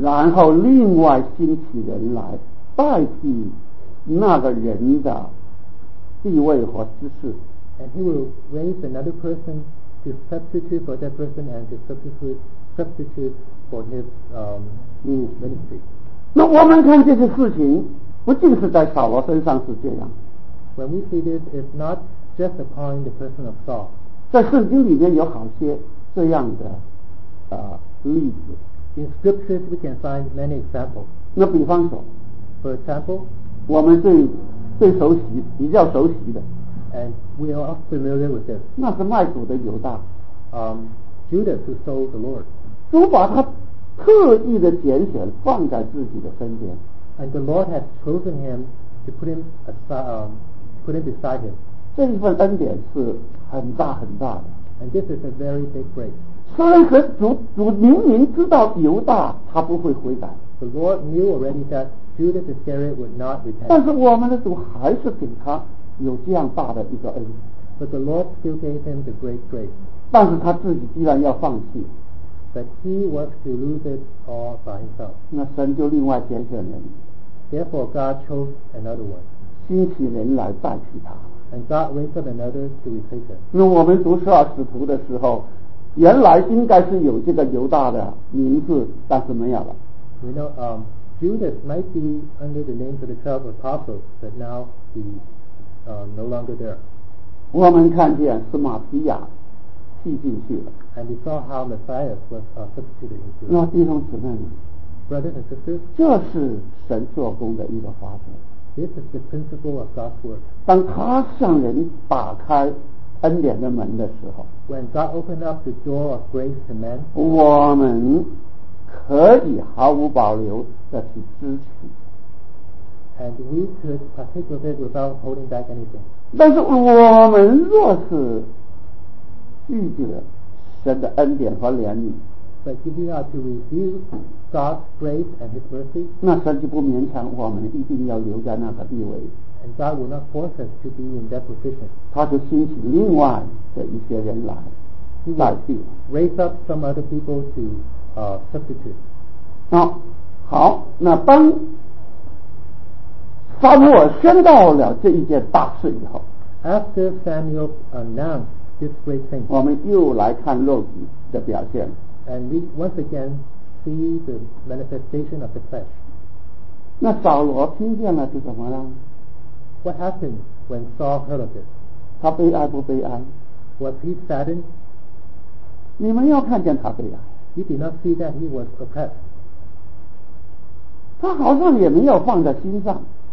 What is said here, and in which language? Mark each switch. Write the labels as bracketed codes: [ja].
[zh] 然后另外兴起人来代替那个人的地位和知识。 [en] And he will raise another person to substitute for that person and to substitute for his ministry。 [zh] 那我们看这些事情，不仅是在扫罗身上是这样。 [en] When we see this, it's not just upon the person of Saul。 [zh] 在圣经里面有好些这样的例子。 [en] In scriptures, we can find many examples。 [zh] 那比方说 [en] ，For example， [zh] 我们最熟悉、比较熟悉的。 [en] And we are all familiar with this。 [zh] 那是卖主的犹大。 [en] Judas who sold the Lord。 [zh] 主把他特意的拣选放在自己的身边。 [en] And the Lord has chosen him to put him aside, put him beside him。 [zh] 这一份恩典是很大很大的。 [en] And this is a very big grace。 [zh] 虽然和主明明知道犹大他不会悔改。 [en] The Lord knew already that Judas Iscariot would not repent。 [zh] 但是我们的主还是给他有这样大的一个恩。 [en] But the Lord still gave him the great grace。 [zh] 但是他自己既然要放弃。 [en] But he was to lose it all by himself。 [zh] 那神就另外拣选人。 [en] Therefore God chose another one。 [zh] 兴起人来代替他。 [en] And God raised up another to replace him。 [zh] 那我们读十二使徒的时候，原来应该是有这个犹大的名字，但是没有了。 [en] You know, Judas might be under the name of the 12 apostles, but now he's no longer there. [zh] 我们看见是马提亚替进去了。 [en] And we saw how Matthias was substituted into. [zh] 那弟兄姊妹们 [en] ，Brothers and sisters， [zh] 这是神做工的一个法则。 [en] This is the principle of God's work。 [zh] 当他向人打开恩典的门的时候， [en] When God opened up the door of grace to men， [zh] 我们可以毫无保留地去支取。 [en] And we could partake of it without holding back anything。 [zh] 但是我们若是拒绝神的恩典和怜悯， [en] But if we are to refuse God's grace and His mercy， [zh] 那神就不勉强我们一定要留在那个地位。 [en] And God will not force us to be in that position。 [zh] 他就兴起另外的一些人来代替。 [en] Raise up some other people to substitute。 [zh] 那好，那当撒母耳宣告了这一件大事以后 [en] ，After Samuel announced this great thing， [zh] 我们又来看肉体的表现。 [en] And we once again see the manifestation of the flesh。 [zh] 那扫罗听见了是怎么了？ [en] What happened when Saul heard of this? [zh] 他悲哀不悲哀？ [en] Was he saddened? [zh] 你们要看见他悲哀。 [en] You did not see that he was oppressed. [zh] 他好像也没有放在心上。